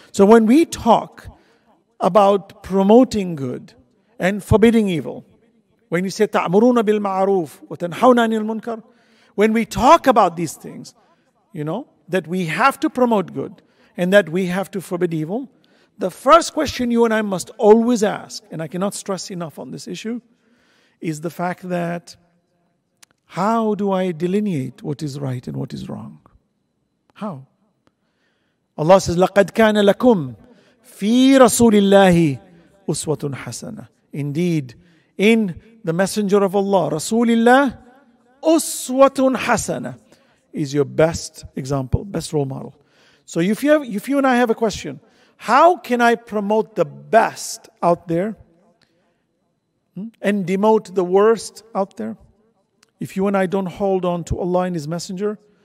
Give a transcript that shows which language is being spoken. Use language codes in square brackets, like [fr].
[en] So when we talk about promoting good and forbidding evil, when you say ta'muruna bil ma'ruf wa tanhauna 'anil munkar, when we talk about these things, you know, that we have to promote good and that we have to forbid evil, the first question you and I must always ask, and I cannot stress enough on this issue, is the fact that how do I delineate what is right and what is wrong? How? Allah says, [ar] لَقَدْ كَانَ لَكُمْ فِي رَسُولِ اللَّهِ أُسْوَةٌ حَسَنَةٌ. [en] Indeed, in the Messenger of Allah, Rasulullah, [ar] أُسْوَةٌ حَسَنَةٌ [en] is your best example, best role model. So if you and I have a question, how can I promote the best out there and demote the worst out there? If you and I don't hold on to Allah and His Messenger,